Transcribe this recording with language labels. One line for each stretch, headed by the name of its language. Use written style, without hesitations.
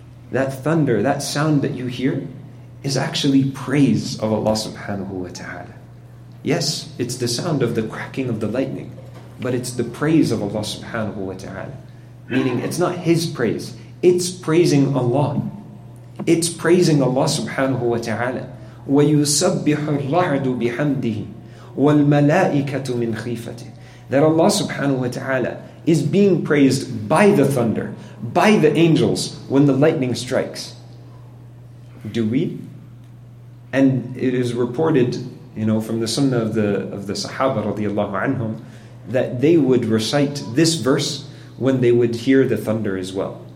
English: That thunder, that sound that you hear, is actually praise of Allah subhanahu wa ta'ala. Yes, it's the sound of the cracking of the lightning, but it's the praise of Allah subhanahu wa ta'ala. Meaning, it's not His praise, it's praising Allah. It's praising Allah subhanahu wa ta'ala.
Arabic: وَيُسَبِّحُ الرَّعْدُ بِحَمْدِهِ وَالْمَلَائِكَةُ مِنْ خِيفَتِهِ
English: That Allah subhanahu wa ta'ala is being praised by the thunder, by the angels, when the lightning strikes. Do we? And it is reported, you know, from the sunnah of the Sahaba radiallahu anhum, that they would recite this verse when they would hear the thunder as well.